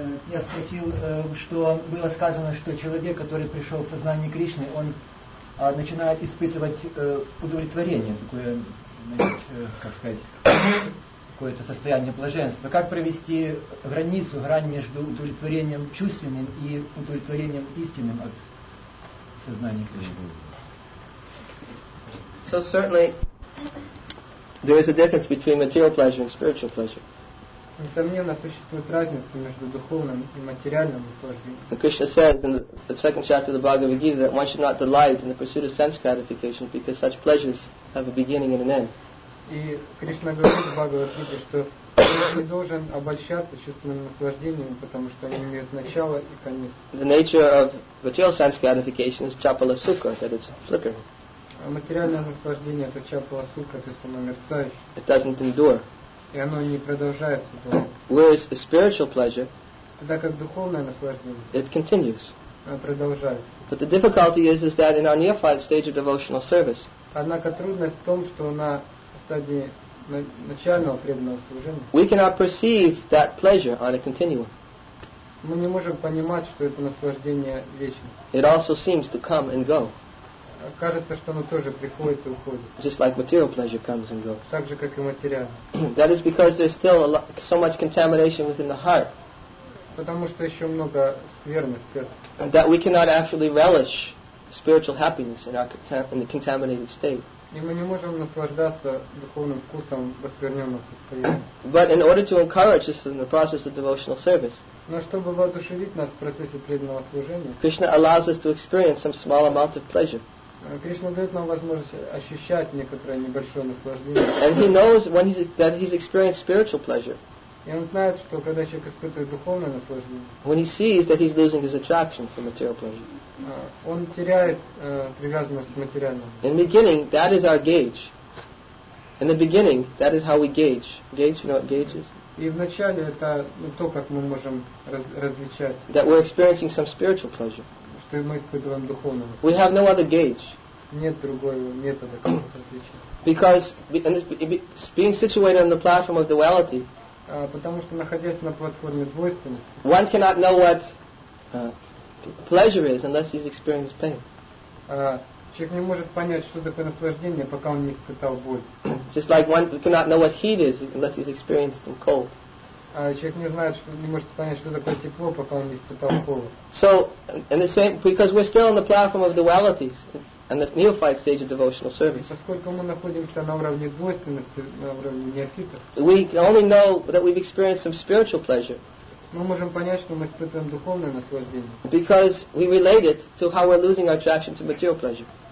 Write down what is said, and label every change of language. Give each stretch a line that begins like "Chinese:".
Russian: Я спросил, что было сказано, что человек, который пришел в сознание Кришны, он начинает испытывать удовлетворение, такое, как сказать, какое-то состояние блаженства. Как провести границу, грань между удовлетворением чувственным и удовлетворением истинным от сознания Кришны?
English: So certainly there is a difference between material pleasure and spiritual pleasure.
Russian: Несомненно, существует разница между духовным и материальным наслаждением.
English: Krishna says in the second chapter of the Bhagavad Gita that one should not delight in the pursuit of sense gratification because such pleasures have a beginning and an end.
Russian: И Кришна говорит в Бхагавад Гите, что не должен обольщаться чувственным наслаждением, потому что они имеют начало и конец.
English: The nature of material sense gratification is chapala sukha, that it's flickering.
Russian: А материальное наслаждение это чапала сукха, то есть оно мерцающее.
English: It doesn't endure.
Russian: И оно не продолжается.
English: Whereas a spiritual pleasure,
Russian: тогда как духовное наслаждение,
English: it continues.
Russian: Продолжается.
English: But the difficulty is that in our neophyte stage of devotional service,
Russian: однако трудность в том, что на стадии начального преданного служения,
English: we cannot perceive that pleasure on a continuum.
Russian: Мы не можем понимать, что это наслаждение вечно.
English: It also seems to come and go.
Russian: Кажется, что оно тоже приходит и уходит.
English: Just like material pleasure comes and goes.
Russian: Так же, как и материальное.
English: That is because there's still so much contamination within the heart.
Russian: Потому что еще много скверны в сердце.
English: That we cannot actually relish spiritual happiness in the contaminated state.
Russian: И мы не можем наслаждаться духовным вкусом в оскверненном состоянии.
English: But in order to encourage us in the process of devotional service,
Russian: но чтобы воодушевить нас в процессе преданного служения,
English: Krishna allows us to experience some small amount of pleasure.
Russian: Кришна дает нам возможность ощущать некоторое небольшое наслаждение.
English: And he knows when he's, that he's experienced spiritual pleasure.
Russian: И он знает, что когда человек испытывает духовное наслаждение,
English: when he sees that he's losing his attraction for material pleasure,
Russian: он теряет привязанность к материальному.
English: In the beginning, that is our gauge. In the beginning, that is how we gauge. Gauge, you know what gauge is?
Russian: И вначале это то, как мы можем различать.
English: That we're experiencing some spiritual pleasure. We have no other gauge.
Russian: Нет другого метода, как это отличить.
English: Because being situated on the platform of duality,
Russian: потому что находясь на платформе двойственности,
English: one cannot know what pleasure is unless he's experienced pain.
Russian: Человек не может понять, что такое наслаждение, пока он не испытал боль.
English: Just like one cannot know what heat is unless he's experienced some cold.
Russian: Человек не знает, не может понять, что такое тепло, пока он не испытал холод.
English: So, in the same, because we're still on the platform of dualities, and the neophyte stage of devotional service.
Russian: Поскольку мы находимся на уровне двойственности, на уровне неофитов,
English: we only know that we've experienced some spiritual pleasure.
Russian: Мы можем понять, что мы испытываем духовное наслаждение.
English: Because we relate it to how we're losing our attraction to material pleasure.